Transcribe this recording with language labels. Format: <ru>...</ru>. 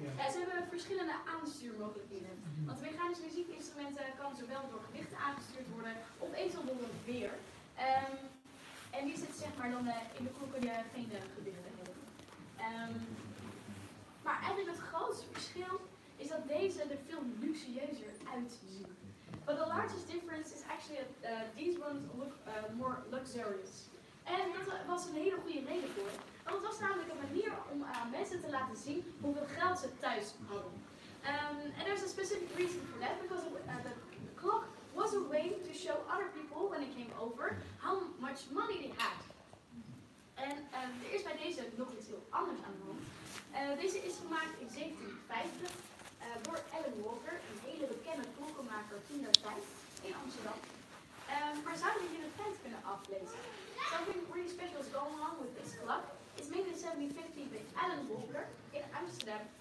<nl>Ze hebben verschillende aanstuurmogelijkheden. Mm-hmm. Want mechanisch muziekinstrumenten kan zowel door gewichten aangestuurd worden, of eventueel door een veer. En die zit zeg maar dan in de kroeken die geen gewichten hebben. Maar eigenlijk het grootste verschil is dat deze er veel luxueuzer uitzien.</nl> <en>But the largest difference is actually that these ones look more luxurious.</en> <nl>En dat was een hele goede reden voor. Want het was namelijk een manier om mensen te laten zien hoeveel geld ze thuis hadden.</nl> <en>And there's a specific reason for that, because the clock was a way to show other people when they came over how much money they had. And</en> <nl>er is bij deze nog iets heel anders aan de hand. Deze is gemaakt in 1750 door Alan Walker, een hele bekende klokkenmaker toen dat tijd in Amsterdam. Maar zouden jullie het feit kunnen aflezen?</nl> <en>Something really special is going on with this clock. It's made in 1750 by Alan Walker in Amsterdam.</en>